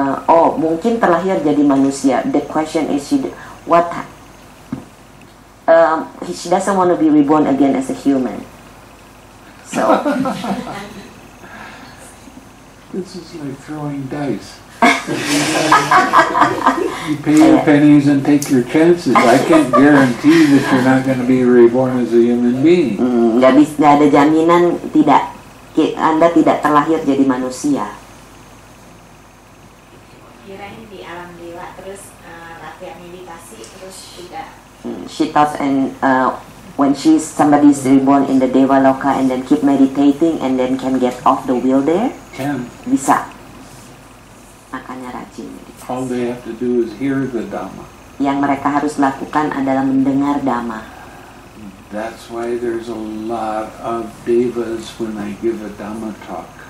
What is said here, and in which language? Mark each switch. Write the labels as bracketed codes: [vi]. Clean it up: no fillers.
[id] Oh, mungkin terlahir jadi manusia. [en] The question is, she doesn't want to be reborn again as a human. So, this is like throwing dice. You pay your pennies and take your chances. I can't guarantee that you're not going to be reborn as a human being. [id] Gak ada jaminan tidak Anda tidak terlahir jadi manusia. Kirain di alam dewa terus latihan meditasi terus tidak. [en] She thought and when she's somebody is reborn in the Deva Loka and then keep meditating and then can get off the wheel there. Can. [id] Bisa. Makanya rajin meditasi. [en] All they have to do is hear the Dhamma. [id] Yang mereka harus lakukan adalah mendengar Dhamma. [en] That's why there's a lot of devas when I give a Dhamma talk.